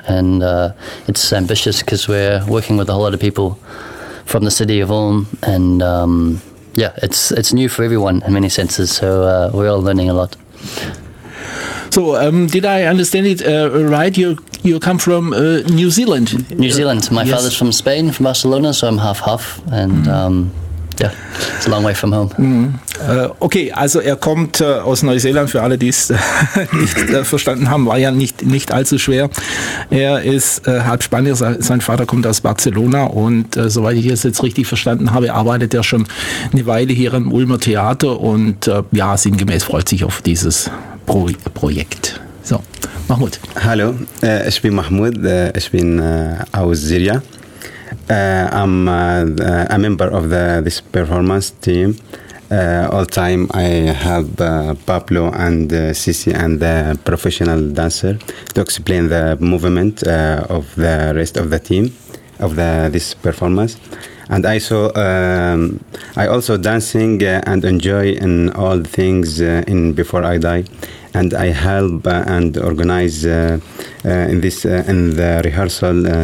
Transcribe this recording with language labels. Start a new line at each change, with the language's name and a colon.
English: And it's ambitious because we're working with a whole lot of people from the city of Ulm, and it's new for everyone in many senses, so we're all learning a lot. So did I understand it right? You come from New Zealand. New Zealand. My yes. Father's from Spain, from Barcelona, so I'm half-half, and it's a long way from home. Mm.
German: Okay, also er kommt aus Neuseeland, für alle, die es nicht verstanden haben, war ja nicht allzu schwer. Er ist halb Spanier, sein Vater kommt aus Barcelona und soweit ich es jetzt richtig verstanden habe, arbeitet er schon eine Weile hier im Ulmer Theater und sinngemäß freut sich auf dieses Projekt. So, Mahmoud. Hallo, ich bin Mahmoud, ich bin aus Syrien.
English: I'm a member of this performance team. All time I help Pablo and Sisi and the professional dancer to explain the movement of the rest of the team of this performance. And I saw I also dancing and enjoy in all things in Before I Die, and I help and organize in this in the rehearsal.